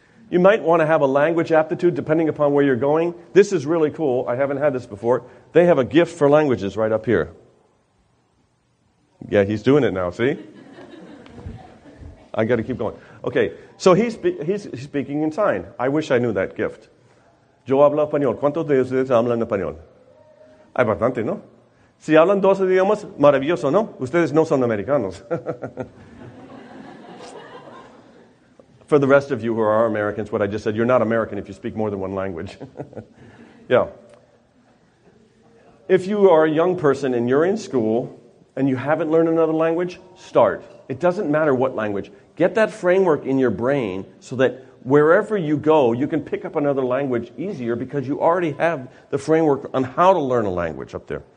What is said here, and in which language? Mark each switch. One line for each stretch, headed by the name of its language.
English: You might want to have a language aptitude depending upon where you're going. This is really cool. I haven't had this before. They have a gift for languages right up here. Yeah, he's doing it now, see? I got to keep going. Okay, so he's speaking in sign. I wish I knew that gift.
Spanish: Yo hablo español. ¿Cuántos de ustedes hablan español? Hay bastante, ¿no? Si hablan dos idiomas, maravilloso, ¿no? Ustedes no son americanos.
English: For the rest of you who are Americans, what I just said, you're not American if you speak more than one language. Yeah. If you are a young person and you're in school and you haven't learned another language, start. It doesn't matter what language. Get that framework in your brain so that wherever you go, you can pick up another language easier because you already have the framework on how to learn a language up there.